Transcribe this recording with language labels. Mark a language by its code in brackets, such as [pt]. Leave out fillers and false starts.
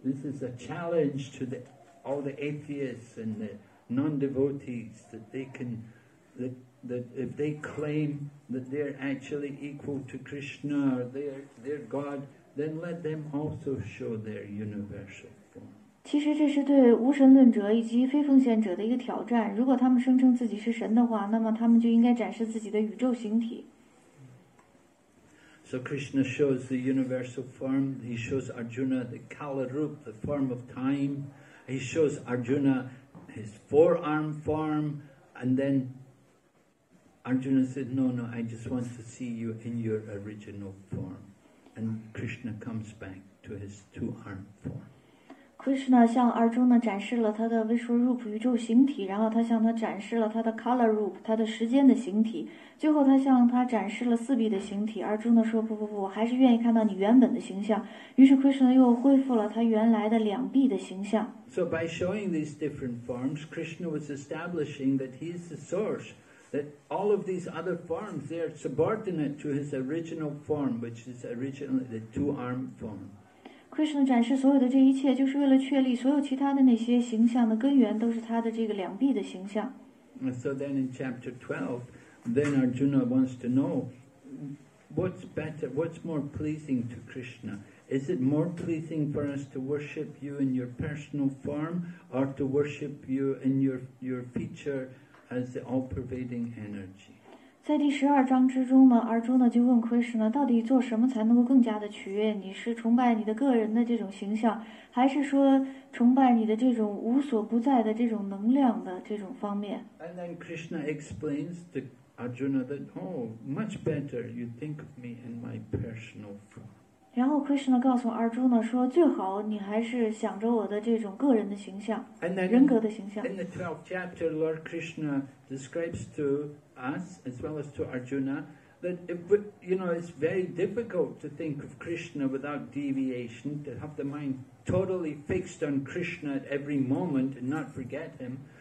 [en] This is a challenge to all the atheists and the non-devotees that they can, that if they claim that they're actually equal to Krishna or they're God, then let them also show their universal. [zh] 其实这是对无神论者以及非奉献者的一个挑战。如果他们声称自己是神的话，那么他们就应该展示自己的宇宙形体。 [en] So Krishna shows the universal form. He shows Arjuna the Kala Rup, the form of time. He shows Arjuna his forearm form. And then Arjuna said, no, no, I just want to see you in your original form. And Krishna comes back to his two-arm form. [zh] Krishna 向 Arjuna 展示了他的 Vishwarupa 宇宙形体，然后他向他展示了他的 Color Rupa 他的时间的形体，最后他向他展示了四臂的形体。 Arjuna 说不不不，我还是愿意看到你原本的形象。于是 Krishna 又恢复了他原来的两臂的形象。 [en] So by showing these different forms, Krishna was establishing that he is the source, that all of these other forms, they are subordinate to his original form, which is originally the two-armed form. [zh] Krishna 展示所有的这一切，就是为了确立所有其他的那些形象的根源都是他的这个两臂的形象。 [en] So then in chapter 12, then Arjuna wants to know what's better, what's more pleasing to Krishna? Is it more pleasing for us to worship you in your personal form or to worship you in your feature as the all-pervading energy? [zh] 在第十二章之中呢，阿朱呢就问 Krishna， 到底做什么才能够更加的取悦你？是崇拜你的个人的这种形象，还是说崇拜你的这种无所不在的这种能量的这种方面 [en] ？And then Krishna explains to Arjuna that, oh, much better you think of me in my personal form. [zh] 然后 Krishna 告诉阿朱呢，说最好你还是想着我的这种个人的形象，人格的形象。 [en] In the 12th chapter, Lord Krishna describes to us as well as to Arjuna that if you know it's very difficult to think of Krishna without deviation, to have the mind totally fixed on Krishna at every moment and not forget him.